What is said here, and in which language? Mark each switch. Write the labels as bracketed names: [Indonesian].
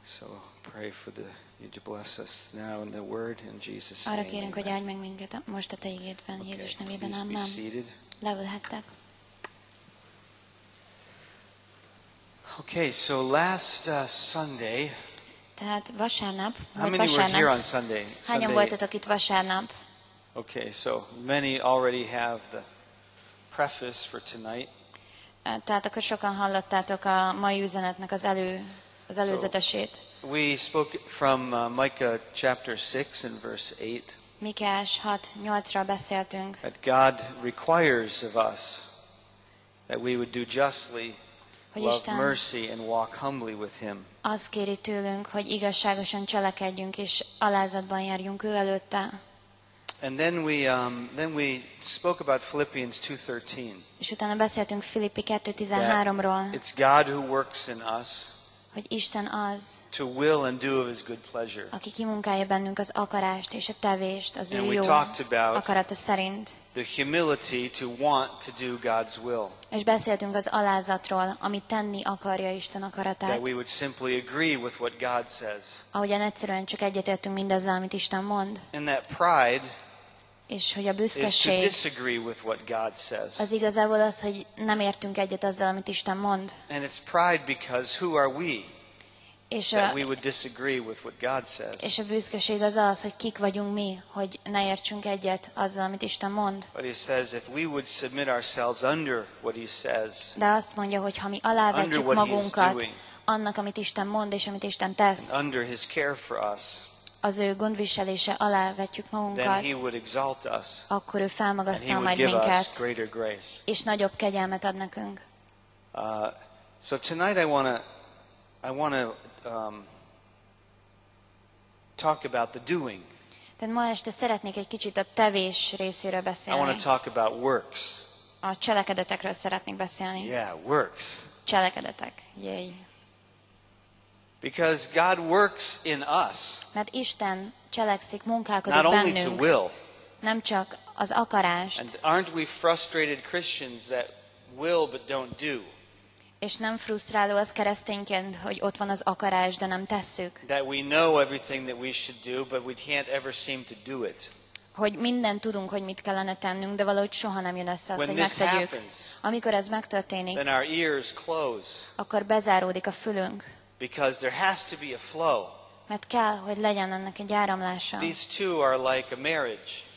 [English] So pray for the you to bless us now in the word in Jesus' name. [Hungarian] Arra kérünk, hogy áldj meg minket most a te igédben, Jézus nevében, amen. Leülhettek. [English] Okay, so last Sunday. [Hungarian] Tehát vasárnap. [English] How many were here on Sunday? [Hungarian] Hányan voltatok itt vasárnap? [English] Okay, so many already have the preface for tonight. [Hungarian] Tehát akkor sokan hallottátok a mai üzenetnek az előzetesét. [English] So we spoke from Micah chapter 6 and verse 8. [Hungarian] Mikás 6:8-ra beszéltünk. [English] That God requires of us that we would do justly. Love mercy and walk humbly with him. [Hungarian] Azt kéri tőlünk, hogy igazságosan cselekedjünk és alázatban járjunk ő előtte. [English] And then we spoke about Philippians 2:13. [Hungarian] És utána beszéltünk Filippi 2:13-ról. [English] It's God who works in us. [Hungarian] Hogy Isten az. [English] To will and do of his good pleasure. [Hungarian] Aki kimunkálja bennünk az akarást és a tevést az [English] and [Hungarian] ő jó akarata szerint. [English] The humility to want to do God's will. [Hungarian] És beszéltünk az alázatról, amit tenni akarja Isten akaratát. [English] That we would simply agree with what God says. [Hungarian] Ahogyan egyszerűen csak egyetértünk mindazzal, amit Isten mond. [English] And that pride. [Hungarian] És hogy a büszkeség. [English] Is to disagree with what God says. [Hungarian] Az igazából az, hogy nem értünk egyet azzal, amit Isten mond. [English] And it's pride because who are we? [Hungarian] És [English] that we would disagree with what God says. [Hungarian] És a büszkeség az az, hogy kik vagyunk mi, hogy ne értsünk egyet azzal, amit Isten mond. [English] But he says if we would submit ourselves under what he says. [Hungarian] De azt mondja, hogy ha mi alávetjük magunkat annak, amit Isten mond és amit Isten tesz. [English] Under his care for us. [Hungarian] Az ő gondviselése alá vetjük magunkat. [English] Then he would exalt us. [Hungarian] Akkor ő felmagasztal majd minket. [English] And he would give us greater grace. [Hungarian] És nagyobb kegyelmet ad nekünk. [English] So tonight I want to talk about the doing. [Hungarian] De ma este szeretnék egy kicsit a tevés részéről beszélni. [English] I want to talk about works. [Hungarian] A cselekedetekről szeretnék beszélni. [English] Yeah, works. [Hungarian] Cselekedetek. Yay. [English] Because God works in us. [Hungarian] Mert Isten cselekszik, munkálkodik bennünk. [English] Not only to will. [Hungarian] Nem csak az akarást. [English] And aren't we frustrated Christians that will but don't do? [Hungarian] És nem frusztráló az keresztényként, hogy ott van az akarás, de nem tesszük. [English] That we know everything that we should do, but we can't ever seem to do it. [Hungarian] Hogy mindent tudunk, hogy mit kellene tennünk, de valahogy soha nem jön össze az, [English] when [Hungarian] hogy megtegyük. Amikor ez megtörténik, [English] then our ears close. [Hungarian] Akkor bezáródik a fülünk. [English] Because there has to be a flow. [Hungarian] Mert kell, hogy legyen ennek egy áramlása. [English] These two are like a marriage.